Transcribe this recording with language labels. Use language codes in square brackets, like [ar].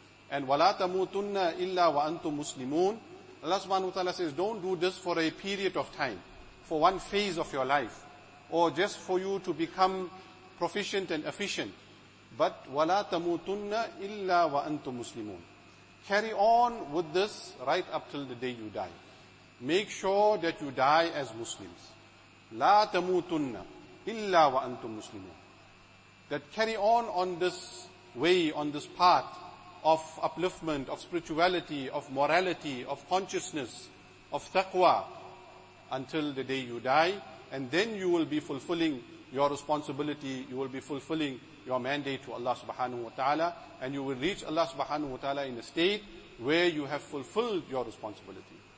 [en] And [ar] wala tamutunna illa wa antum muslimun. [en] Allah subhanahu wa ta'ala says, don't do this for a period of time, for one phase of your life, or just for you to become proficient and efficient. [ar] But wala tamutunna illa wa antum muslimun. [en] Carry on with this right up till the day you die. Make sure that you die as Muslims. [ar] لا تموتن إلا وأنتم مسلمون. [en] That carry on this way, on this path of upliftment, of spirituality, of morality, of consciousness, of taqwa, until the day you die, and then you will be fulfilling your responsibility, you will be fulfilling your mandate to Allah subhanahu wa ta'ala, and you will reach Allah subhanahu wa ta'ala in a state where you have fulfilled your responsibility.